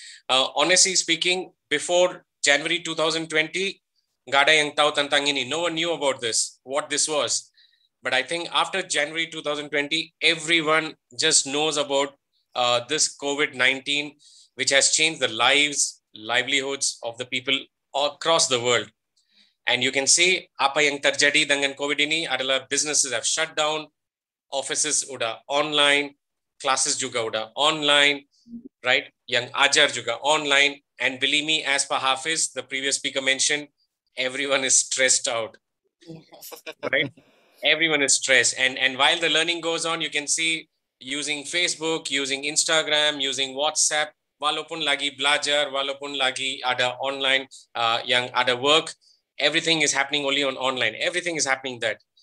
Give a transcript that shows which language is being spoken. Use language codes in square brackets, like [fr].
[en] Honestly speaking, before January 2020, [id] gak ada yang tahu tentang ini. [en] No one knew about this, what this was. But I think after January 2020, everyone just knows about this COVID-19, which has changed the lives, livelihoods of the people across the world. And you can see, [id] apa yang terjadi dengan COVID ini adalah [en] businesses have shut down, offices udah online, classes juga udah online, right? [id] Yang ajar juga online. [en] And believe me, as per Hafiz, the previous speaker mentioned, everyone is stressed out, right? Everyone is stressed. And while the learning goes on, you can see using Facebook, using Instagram, using WhatsApp, [id] walaupun lagi belajar, walaupun lagi ada online, yang ada [en] work, everything is happening only on online. Everything is happening that.